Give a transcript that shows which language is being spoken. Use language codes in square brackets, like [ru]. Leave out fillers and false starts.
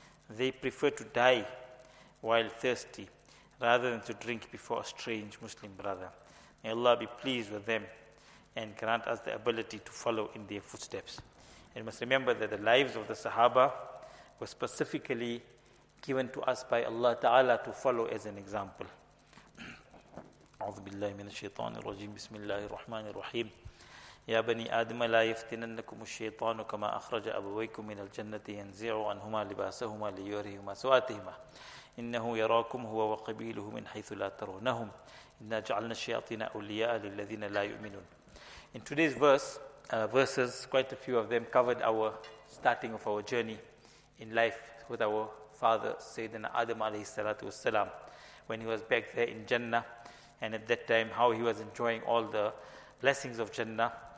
[en] They prefer to die while thirsty rather than to drink before a strange Muslim brother. May Allah be pleased with them and grant us the ability to follow in their footsteps. And must remember that the lives of the Sahaba were specifically given to us by Allah Ta'ala to follow as an example. [ar] أعوذ بالله من الشيطان الرجيم بسم الله الرحمن الرحيم يا بني آدم لا يفتننكم الشيطان كما أخرج أبويكم من الجنة ينزع عنهما لباسهما ليريهما سوآتهما إنه يراكم هو وقبيله من حيث لا ترونهم إنا جعلنا الشياطين أولياء للذين لا يؤمنون. [en] In today's verses, quite a few of them covered our starting of our journey in life with our father Sayyidina Adam عليه الصلاة والسلام, when he was back there in Jannah, and at that time how he was enjoying all the blessings of Jannah.